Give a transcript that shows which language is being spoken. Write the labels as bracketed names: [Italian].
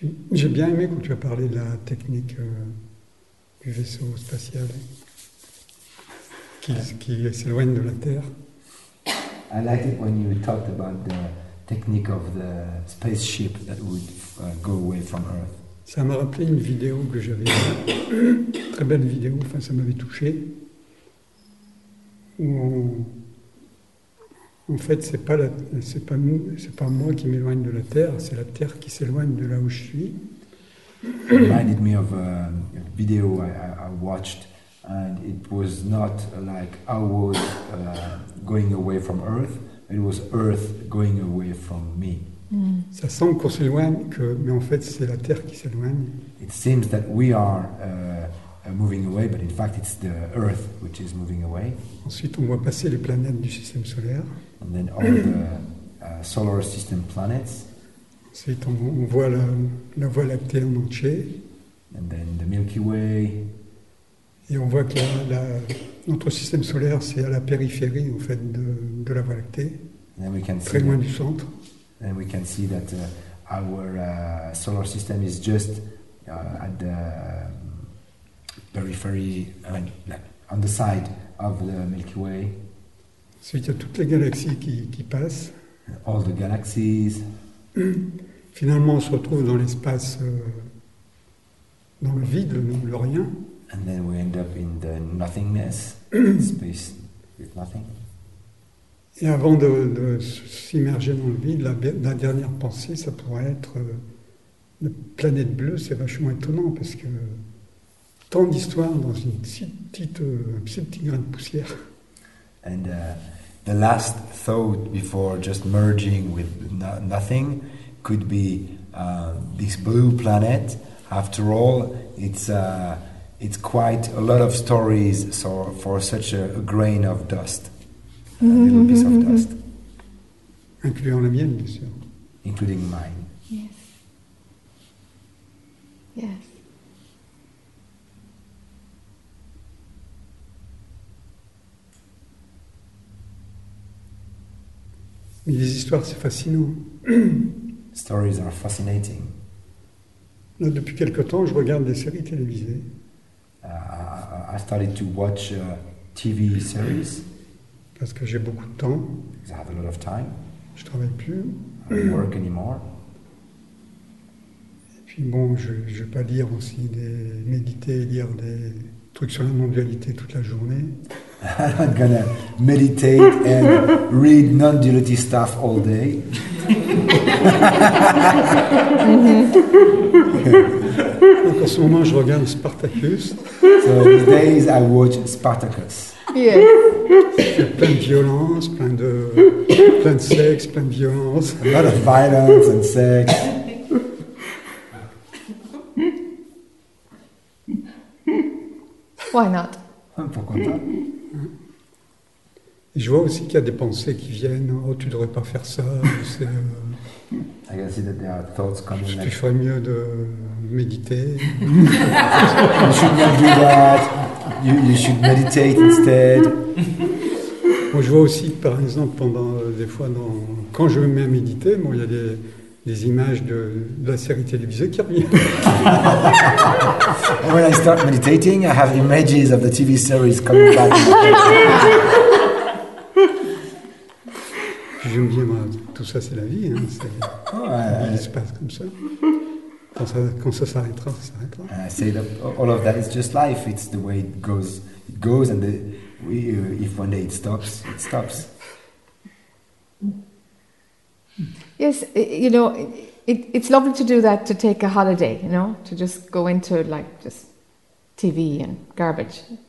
[French] J'ai bien aimé quand tu as parlé de la technique du vaisseau spatial qui s'éloigne de la Terre. [English] I liked it when you talked about the technique of the spaceship that would go away from Earth. [French] Ça m'a rappelé une vidéo que j'avais vue, très belle vidéo, enfin ça m'avait touché, où en fait, c'est pas moi qui m'éloigne de la Terre, c'est la Terre qui s'éloigne de là où je suis. [English] It reminded me of a video I watched, and it was not like I was going away from Earth, it was Earth going away from me. [French] Ça semble qu'on s'éloigne, mais en fait, c'est la Terre qui s'éloigne. [English] It seems that we are moving away, but in fact, it's the Earth which is moving away. [French] Ensuite, on voit passer les planètes du système solaire. [English] And then all the solar system planets. [French] Ensuite, on voit la Voie lactée en entier. [English] And then the Milky Way. [French] Et on voit que notre système solaire, c'est à la périphérie, en fait, de la Voie lactée. [English] And then we can [French] très loin [English] that, [French] du centre. [English] And we can see that our solar system is just at the periphery, on the side of the Milky Way. [French] Ensuite, il y a toutes les galaxies qui passent. [English] All the galaxies. [French] Finalement, on se retrouve dans l'espace, dans le vide, le rien. [English] And then we end up in the nothingness, space with nothing. [French] Et avant de s'immerger dans le vide, la dernière pensée, ça pourrait être la planète bleue. C'est vachement étonnant parce que tant d'histoires dans un petit grain de poussière. [English] And the last thought before just merging with nothing could be this blue planet. After all, it's quite a lot of stories for such a grain of dust, a little piece of dust. Including [French] la mienne, bien sûr. [English] Including mine. Yes. [French] Mais les histoires, c'est fascinant. [English] Stories are fascinating. [French] Là, depuis quelque temps, je regarde des séries télévisées. [English] I started to watch TV series. [French] Parce que j'ai beaucoup de temps. [English] Because I have a lot of time. [French] Je travaille plus. [English] I don't work anymore. [French] Et puis bon, je ne vais pas lire aussi, méditer et lire des trucs sur la non-dualité toute la journée. [English] I'm not going to meditate and read non-duality stuff all day. [French] Donc en ce moment, je regarde Spartacus. [English] So these days, I watch Spartacus. Yes. [French] Il y a plein de violence, plein de sexe, plein de violence. [English] A lot of violence and sex. Why not? [French] Pourquoi pas? Et je vois aussi qu'il y a des pensées qui viennent. Oh, tu devrais pas faire ça. C'est, [English] I can see that there are thoughts coming. [French] Je te ferais mieux de méditer. [English] You should not do that. You should meditate instead. [French] Bon, je vois aussi, par exemple, pendant des fois, quand je me mets à méditer, bon, il y a des images de la série télévisée qui reviennent. [English] When I start meditating, I have images of the TV series coming back. [French] Puis je me dis, moi, tout ça, c'est la vie. Hein, c'est, oh, il se passe comme ça. Quand ça s'arrêtera, ça s'arrêtera. [English] I say that all of that is just life. It's the way it goes. It goes, and if one day it stops, it stops. Yes, you know, it's lovely to do that, to take a holiday, you know, to just go into, like, just TV and garbage.